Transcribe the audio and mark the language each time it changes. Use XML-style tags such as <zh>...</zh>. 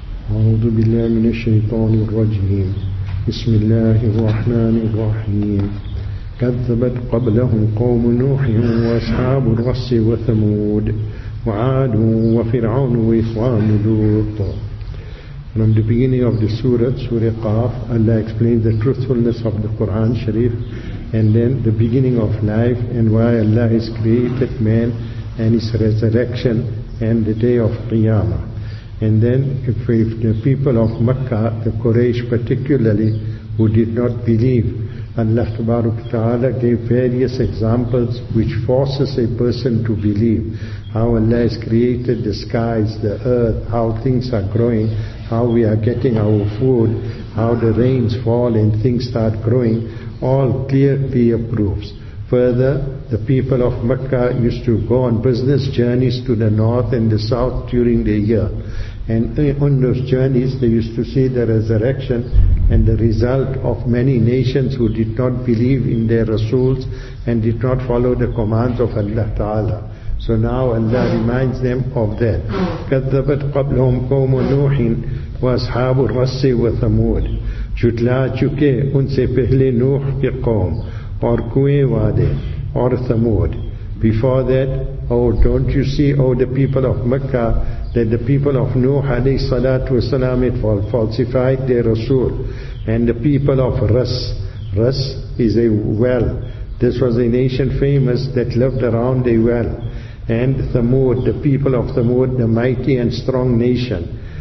<ar>أعوذ بالله من الشيطان الرجيم. بسم الله الرحمن الرحيم. كذبت قبلهم قوم نوح وأصحاب الرس وثمود وعاد وفرعون وإخوان لوط.</ar> <en>From the beginning of the surah, Surah Qaf, Allah explains the truthfulness of the Quran Sharif, and then the beginning of life and why Allah has created man and his resurrection and the day of Qiyamah. And then if the people of Mecca, the Quraysh particularly, who did not believe, Allah Tabaruk Ta'ala gave various examples which forces a person to believe. How Allah has created the skies, the earth, how things are growing, how we are getting our food, how the rains fall and things start growing, all clear proofs. Further, the people of Mecca used to go on business journeys to the north and the south during the year. And on those journeys, they used to see the resurrection and the result of many nations who did not believe in their Rasuls and did not follow the commands of Allah Ta'ala. So now Allah reminds them of that.</en> <ar>كَذَّبَتْ قَبْلَهُمْ قَوْمُ نُوحٍ وَأَصْحَابُ الرَّسِّ وَثَمُودِ</ar> <ur>جُتْلَا چُكَي ان سے پہلے نوح کے قوم اور کوئے وادے اور ثمود.</ur> <en>Before that, oh, don't you see, oh, the people of Mecca, that the people of Nuh alayhi salatu wasalam had falsified their Rasul. And the people of Ras, Ras is a well. This was a nation famous that lived around a well. And Thamud, the people of Thamud, the mighty and strong nation.</en>